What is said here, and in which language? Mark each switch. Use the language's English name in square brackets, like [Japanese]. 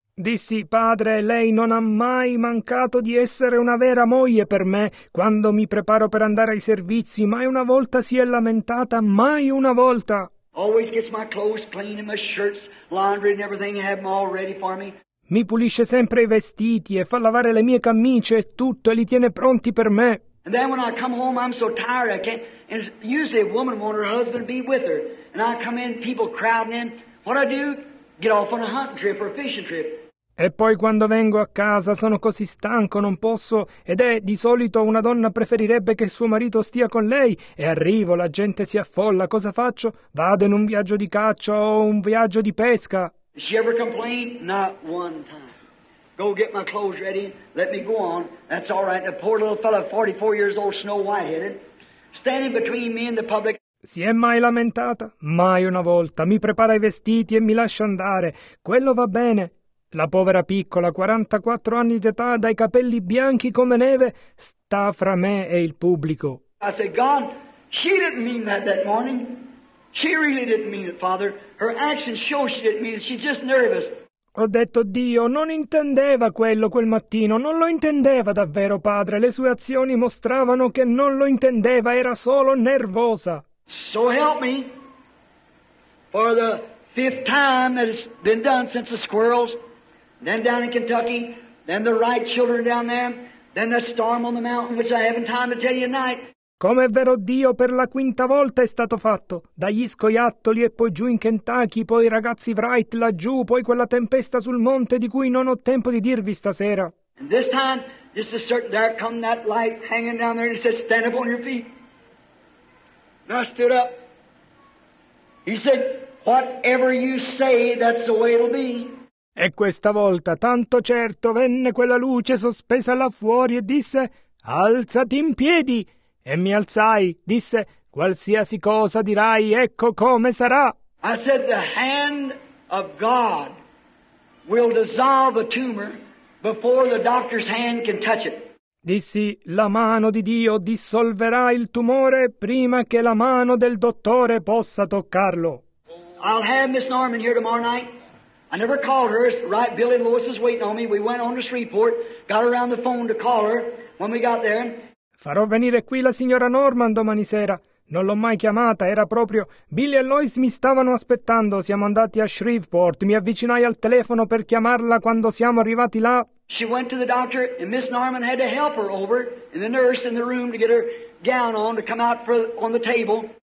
[Italian] Dissi, Padre, lei non ha mai mancato di essere una vera moglie per me. Quando mi preparo per andare ai servizi, mai una volta si è lamentata, mai una volta. [English] Always gets my clothes clean and my shirts, laundry and everything, and have them all ready for me. [Italian] Mi pulisce sempre i vestiti e fa lavare le mie camicie e tutto e li tiene pronti per me. [English] And then when I come home, I'm so tired I can't. And usually a woman wants her husband to be with her. And I come in, people crowding in. What I do? Get off on a hunting trip or a fishing trip. [Italian] E poi quando vengo a casa sono così stanco, non posso. Ed è, di solito, una donna preferirebbe che suo marito stia con lei. E arrivo, la gente si affolla, cosa faccio? Vado in un viaggio di caccia o un viaggio di pesca. [English] She ever complained? Not one time. Go get my clothes ready, let me go on. That's all right. The poor little fellow, 44 years old, snow white-headed, standing between me and the public. [Italian] Si è mai lamentata? Mai una volta. Mi prepara i vestiti e mi lascia andare. Quello va bene. La povera piccola, 44 anni di età, dai capelli bianchi come neve, sta fra me e il pubblico. [English] I said, God, she didn't mean that morning. She really didn't mean it, Father. Her actions show she didn't mean it. She's just nervous. [Italian] Ho detto, Dio, non intendeva quello quel mattino. Non lo intendeva davvero, Padre. Le sue azioni mostravano che non lo intendeva. Era solo nervosa. [English] So help me, for the fifth time that has been done since the squirrels, then down in Kentucky, then the Wright children down there, then that storm on the mountain which I haven't time to tell you tonight. [Italian] Come è vero Dio, per la quinta volta è stato fatto. Dagli scoiattoli e poi giù in Kentucky, poi i ragazzi Wright laggiù, poi quella tempesta sul monte di cui non ho tempo di dirvi stasera. [English] And this time, just a certain, there come that light hanging down there and he said, stand up on your feet. And I stood up. He said, whatever you say, that's the way it'll be. [Italian] E questa volta, tanto certo, venne quella luce sospesa là fuori e disse, alzati in piedi. E mi alzai, disse, qualsiasi cosa dirai, ecco come sarà. [English] I said, the hand of God will dissolve a tumor before the doctor's hand can touch it. [Italian] Dissi, la mano di Dio dissolverà il tumore prima che la mano del dottore possa toccarlo. [English] I'll have Miss Norman here tomorrow night. I never called her. Right, Billy Lewis is waiting on me. We went on to Shreveport, got around the phone to call her when we got there. [Italian] Farò venire qui la signora Norman domani sera. Non l'ho mai chiamata, era proprio... Billy e Lois mi stavano aspettando. Siamo andati a Shreveport. Mi avvicinai al telefono per chiamarla quando siamo arrivati là. [English] She went to the doctor and Miss Norman had to help her over and the nurse in the room to get her gown on to come out on the table.